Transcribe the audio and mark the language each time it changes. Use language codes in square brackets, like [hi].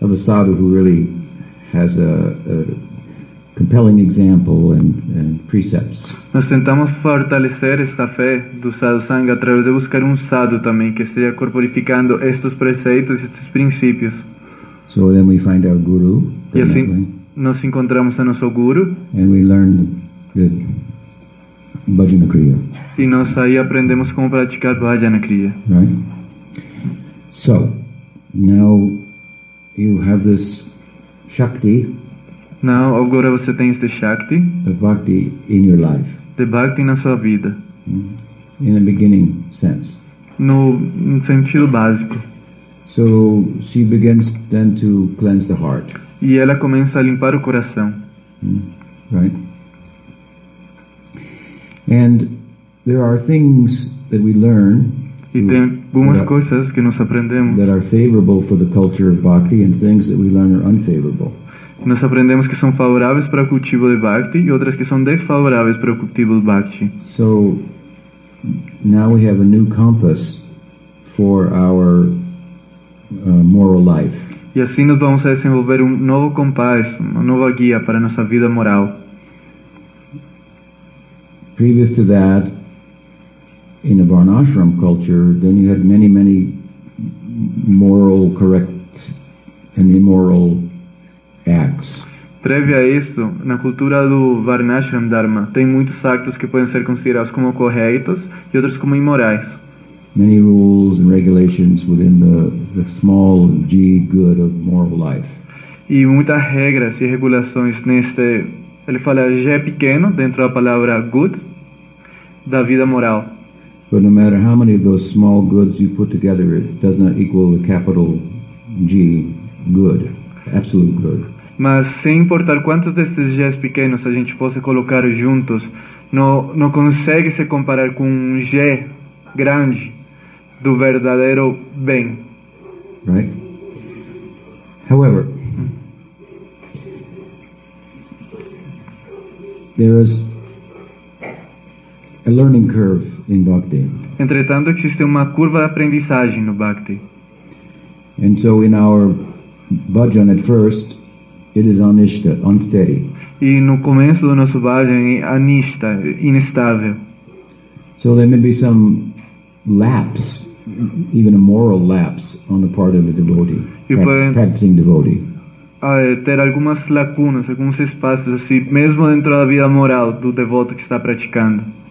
[en] of a sadhu who really has a compelling example and precepts. [pt] Nós tentamos fortalecer esta fé do sadhu sangha através de buscar sadhu também que esteja corporificando estes preceitos e estes princípios. [en] So then we find our guru. [pt] E assim nós encontramos a nosso guru. [en] And we learn the bhajana kriya. [pt] E nós aí aprendemos como praticar bhajana kriya. [en] Right. So now you have this shakti. [pt] Now, agora você tem este shakti. [en] The bhakti in your life. The [pt] bhakti na sua vida. [en] In a beginning sense. [pt] No sentido básico. [en] So she begins then to cleanse the heart. [pt] E ela começa a limpar o coração. [en] Right. And there are things that we learn. [pt] E tem algumas coisas que nós aprendemos. [en] That are favorable for the culture of bhakti, and things that we learn are unfavorable. [pt] Nós aprendemos que são favoráveis para o cultivo de bhakti e outras que são desfavoráveis para o cultivo de bhakti. [en] So now we have a new compass for our moral life. [pt] E assim nós vamos a desenvolver novo compás, uma nova guia para a nossa vida moral. [en] Previous to that, in a varnashram culture, then you had many, many moral correct and immoral acts. [pt] Previo a isso, na cultura do Varnashram Dharma, tem muitos actos que podem ser considerados como corretos e outros como imorais. [en] Many rules and regulations within the small g good of moral life. [pt] E muitas regras e regulações neste, ele fala g pequeno dentro da palavra good da vida moral. [en] But no matter how many of those small goods you put together, it does not equal the capital G good, absolute good. [pt] Mas sem importar quantos desses G's pequenos a gente possa colocar juntos, não consegue se comparar com um G grande do verdadeiro bem. [en] Right? However, there is a learning curve in bhakti. [pt] Entretanto, existe uma curva de aprendizagem no bhakti. [en] And so in our bhajan at first, it is anishta, unsteady. [pt] E no começo do nosso bhajan, anishta, instável. [en] So there may be some lapse, even a moral lapse, on the part of the devotee, practicing devotee. [pt] Ter algumas lacunas, alguns espaços assim, mesmo dentro da vida moral do devoto que está praticando.